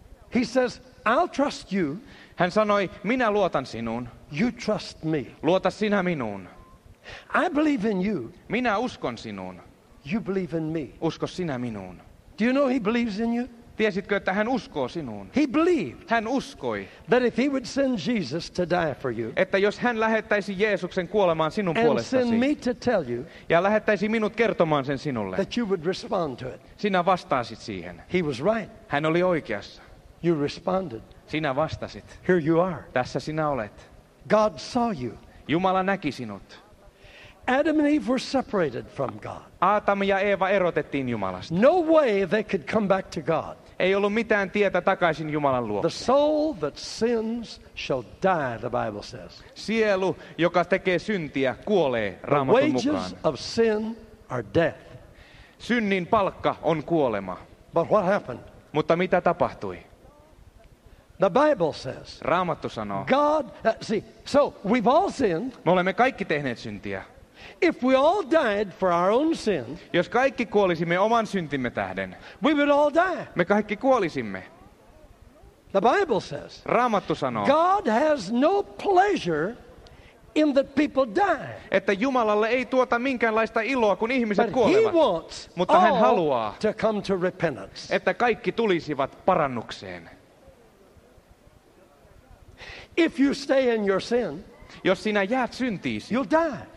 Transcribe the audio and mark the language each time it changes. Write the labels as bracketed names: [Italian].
[English] He says, I'll trust you. [Finnish] Hän sanoi, minä luotan sinuun. [English] You trust me. [Finnish] Luota sinä minuun. [English] I believe in you. [Finnish] Minä uskon sinuun. [English] You believe in me. [Finnish] Usko sinä minuun. [English] Do you know he believes in you? [Finnish] Tiesitkö, että hän uskoo sinuun? [English] He believed. [Finnish] Hän uskoi. [English] That if he would send Jesus to die for you. [Finnish] Että jos hän lähettäisi Jeesuksen kuolemaan sinun puolestasi. [English] And send me to tell you. [Finnish] Ja lähettäisi minut kertomaan sen sinulle. [English] That you would respond to it. [Finnish] Sinä vastasit siihen. [English] He was right. [Finnish] Hän oli oikeassa. [English] You responded. [Finnish] Sinä vastasit. [English] Here you are. [Finnish] Tässä sinä olet. [English] God saw you. [Finnish] Jumala näki sinut. [English] Adam and Eve were separated from God. [Finnish] Aatam ja Eeva erotettiin Jumalasta. [English] No way they could come back to God. [Finnish] Ei ollut mitään tietä takaisin Jumalan luo. [English] The soul that sins shall die, the Bible says. [Finnish] Sielu, joka tekee syntiä, kuolee, Raamatun mukaan. [English] The wages of sin are death. [Finnish] Synnin palkka on kuolema. [English] But what happened? [Finnish] Mutta mitä tapahtui? [English] The Bible says. [Finnish] Raamattu sanoo. [English] God, see, so we've all sinned. [Finnish] Me olemme kaikki tehneet syntiä. [English] If we all died for our own sin, [Finnish] jos kaikki kuolisimme oman syntimme tähden, [English] we would all die. [Finnish] Me kaikki kuolisimme. [English] The Bible says. [Finnish] Raamattu sanoo. [English] God has no pleasure in that people die. [Finnish] Että Jumalalle ei tuota minkäänlaista iloa, kun ihmiset [English] but [Finnish] kuolevat. [English] He wants [Finnish] mutta hän haluaa, [English] to come to repentance. [Finnish] Että kaikki tulisivat parannukseen. [English] If you stay in your sin, [Finnish] jos sinä jäät syntiisi, [English] you'll die.